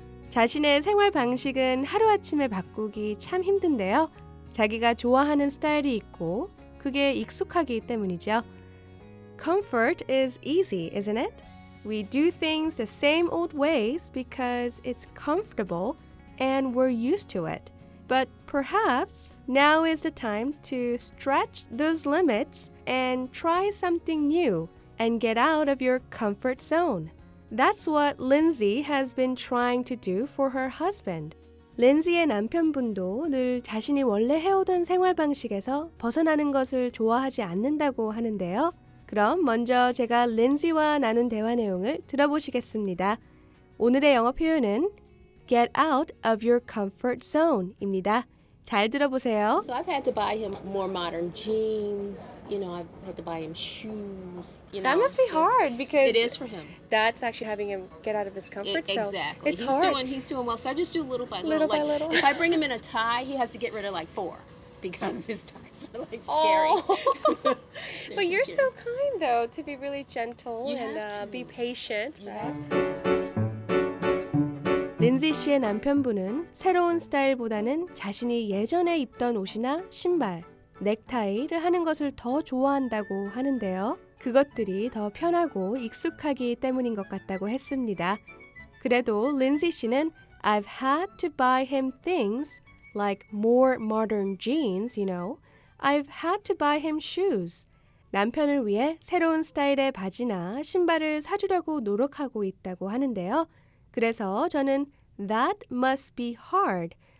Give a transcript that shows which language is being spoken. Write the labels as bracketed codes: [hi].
[ko] 자신의 생활 방식은 하루아침에 바꾸기 참 힘든데요. 자기가 좋아하는 스타일이 있고 그게 익숙하기 때문이죠. [en] Comfort is easy, isn't it? We do things the same old ways because it's comfortable and we're used to it. But perhaps now is the time to stretch those limits and try something new and get out of your comfort zone. That's what Lindsay has been trying to do for her husband. [ko] Lindsay의 남편분도 늘 자신이 원래 해오던 생활 방식에서 벗어나는 것을 좋아하지 않는다고 하는데요. 그럼 먼저 제가 Lindsay와 나눈 대화 내용을 들어보시겠습니다. 오늘의 영어 표현은 get out of your comfort zone입니다. 잘 들어보세요. [en] So I've had to buy him more modern jeans. You know, I've had to buy him shoes. You know, that must be hard because it is for him. That's actually having him get out of his comfort zone. Exactly. It's hard. He's doing well. So I just do little by little. Little by like, little. If I bring him in a tie, he has to get rid of like four because his ties are like scary. Oh. But you're scary. So kind though to be really gentle you and have to. Be patient. [ko] Lindsay 씨의 남편분은 새로운 스타일보다는 자신이 예전에 입던 옷이나 신발, 넥타이를 하는 것을 더 좋아한다고 하는데요. 그것들이 더 편하고 익숙하기 때문인 것 같다고 했습니다. 그래도 Lindsay 씨는 [en] I've had to buy him things like more modern jeans, you know. I've had to buy him shoes. [ko] 남편을 위해 새로운 스타일의 바지나 신발을 사주려고 노력하고 있다고 하는데요. 그래서 저는 [en] that must be hard